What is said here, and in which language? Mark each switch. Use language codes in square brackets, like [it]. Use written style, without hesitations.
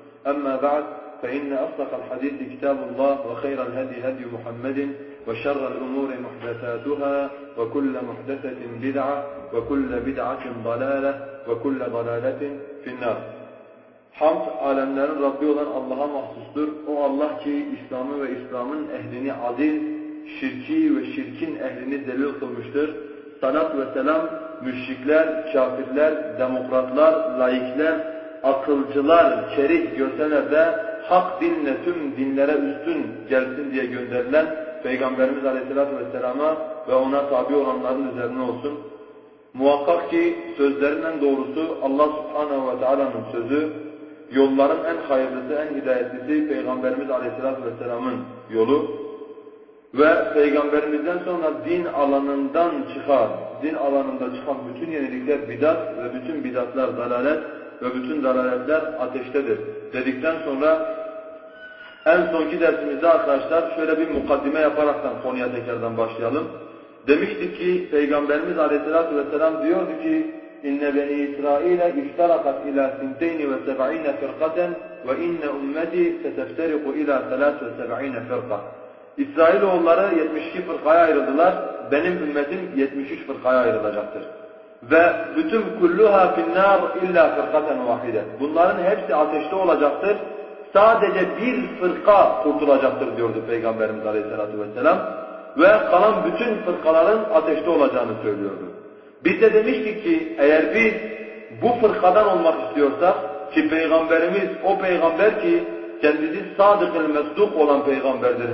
[ar] أما بعد، فإن أصدق الحديث كتاب الله، وخير الهدي هدي محمد، وشر الأمور محدثاتها، وكل محدثة بدعة، وكل بدعة ضلالة، وكل ضلالة في النار. [tr] Hamd alemlerin Rabbi olan Allah'a mahsustur. O Allah ki İslam'ı ve İslam'ın ehlini adil, şirki ve şirkin ehlini delil kılmıştır. Salat ve selam müşrikler, kafirler, demokratlar, laikler, akılcılar, kerih görsene de hak dinle tüm dinlere üstün gelsin diye gönderilen Peygamberimiz Aleyhisselatü Vesselam'a ve ona tabi olanların üzerine olsun. Muhakkak ki sözlerinden doğrusu Allah Subhanahu ve Teala'nın sözü, yolların en hayırlısı, en hidayetlisi Peygamberimiz Aleyhisselatü Vesselam'ın yolu ve Peygamberimizden sonra din alanından çıkar, din alanında çıkan bütün yenilikler bidat ve bütün bidatlar dalalet ve bütün dalaletler ateştedir dedikten sonra en sonki dersimizde arkadaşlar şöyle bir mukaddime yaparaktan konuya tekrardan başlayalım. Demiştik ki Peygamberimiz Aleyhisselatü Vesselam diyordu ki [ar] اِنَّ بَنِي إِسْرَائِيلَ اِشْتَرَقَتْ اِلَى سِنْتَيْنِ وَسَبْعِينَ فِرْقَةً [tr] وَاِنَّ اُمَّتِي سَتَفْتَرِقُ اِلَى ثَلَاثُ وَسَبْعِينَ فِرْقَةً İsrailoğulları 72 fırkaya ayrıldılar, benim ümmetim 73 fırkaya ayrılacaktır. Ve bütün [ar] kulluha finnâr illa fırkaten vahide. [tr] Bunların hepsi ateşte olacaktır, sadece bir fırka kurtulacaktır diyordu Peygamberimiz Aleyhisselatü Vesselam. Ve kalan bütün fırkaların ateşte olacağını söylüyordu. Biz de demiştik ki eğer biz bu fırkadan olmak istiyorsak, ki Peygamberimiz o peygamber ki kendisi sadık-ül mesduk olan peygamberdir.